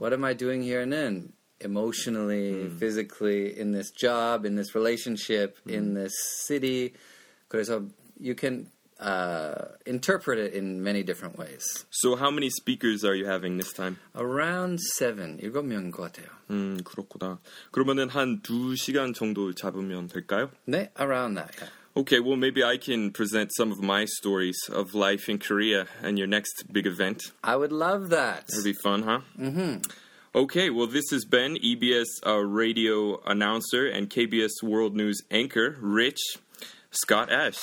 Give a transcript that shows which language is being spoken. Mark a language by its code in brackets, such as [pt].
[en] What am I doing here는 emotionally, physically, in this job, in this relationship, in this city. 그래서 you can interpret it in many different ways. So how many speakers are you having this time? Around 7, [ko] 7명 것 같아요. 그렇구나. 그러면은 한 2시간 정도 잡으면 될까요? [en] 네, around that, yeah. Okay, well, maybe I can present some of my stories of life in Korea and your next big event. I would love that. It'd be fun, huh? Mm-hmm. Okay, well, this is Ben, EBS radio announcer and KBS World News anchor, Rich Scott Ash.